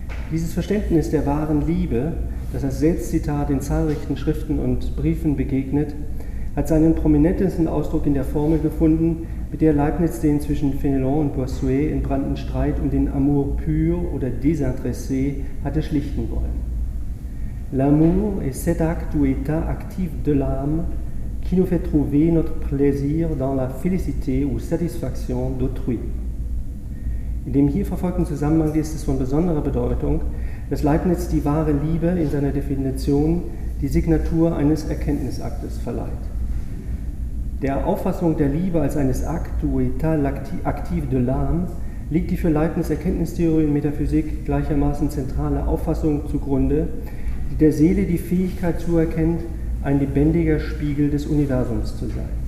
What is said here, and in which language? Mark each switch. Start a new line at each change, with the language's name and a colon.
German: Dieses Verständnis der wahren Liebe, das als Selbstzitat in zahlreichen Schriften und Briefen begegnet, hat seinen prominentesten Ausdruck in der Formel gefunden, mit der Leibniz den zwischen Fénelon und Bossuet entbrannten Streit um den Amour pur oder désintéressé hatte schlichten wollen.
French: L'amour est cet acte ou état actif de l'âme qui nous fait trouver notre plaisir dans la félicité ou satisfaction d'autrui.
German: In dem hier verfolgten Zusammenhang ist es von besonderer Bedeutung, dass Leibniz die wahre Liebe in seiner Definition die Signatur eines Erkenntnisaktes verleiht. Der Auffassung der Liebe als eines
French: actu état actif de l'âme
German: liegt die für Leibniz Erkenntnistheorie und Metaphysik gleichermaßen zentrale Auffassung zugrunde, die der Seele die Fähigkeit zuerkennt, ein lebendiger Spiegel des Universums zu sein.